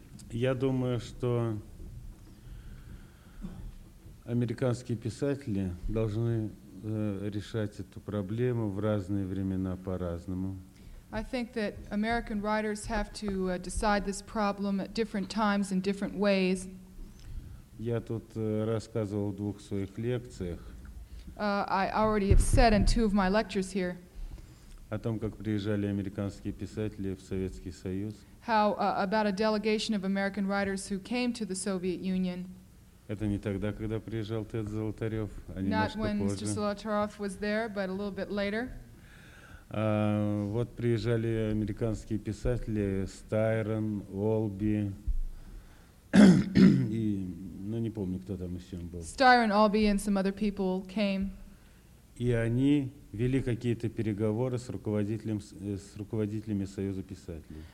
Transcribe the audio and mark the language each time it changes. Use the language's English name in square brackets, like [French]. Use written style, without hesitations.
[Russian] Я думаю, что американские писатели должны решать эту проблему в разные времена по-разному. [English] I think that American writers have to decide this problem at different times in different ways. [Russian] Я тут рассказывал в двух своих лекциях. [English] I already have said in two of my lectures here [Russian] о том, как приезжали американские писатели в Советский Союз. [English] How about a delegation of American writers who came to the Soviet Union. [Russian] Это не тогда, когда приезжал Тед Золотарёв, а немножко позже. [English] Not when [Russian] позже. [English] Mr. Solotaroff was there, but a little bit later. [Russian] Вот приезжали американские писатели Стайрон, Олби и Но не помню, кто там еще был. [English] Styron, Albee, and some other people came. [Russian] И они вели какие-то переговоры с руководителем с руководителями Союза писателей.